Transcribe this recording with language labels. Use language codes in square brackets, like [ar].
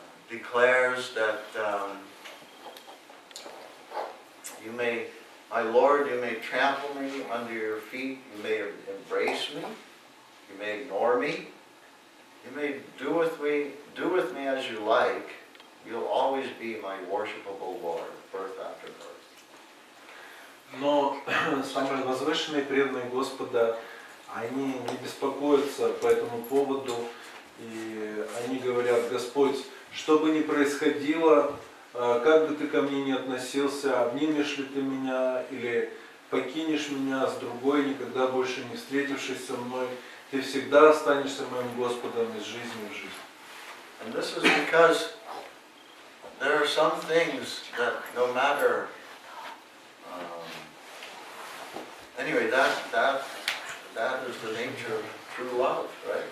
[en] Declares that you may, my Lord, you may trample me under your feet, you may embrace me, you may ignore me, you may do with me as you like, you'll always be my worshipable Lord, birth after birth. [ru] Но самые возвышенные преданные Господа, они не беспокоятся по этому поводу, и они говорят: Господь, что бы ни происходило, как бы ты ко мне ни относился, обнимешь ли ты меня или покинешь меня с другой, никогда больше не встретившись со мной, ты всегда останешься моим Господом из жизни в жизнь. [en] And this is because there are some things that no matter... Anyway, that is the nature of true love, right?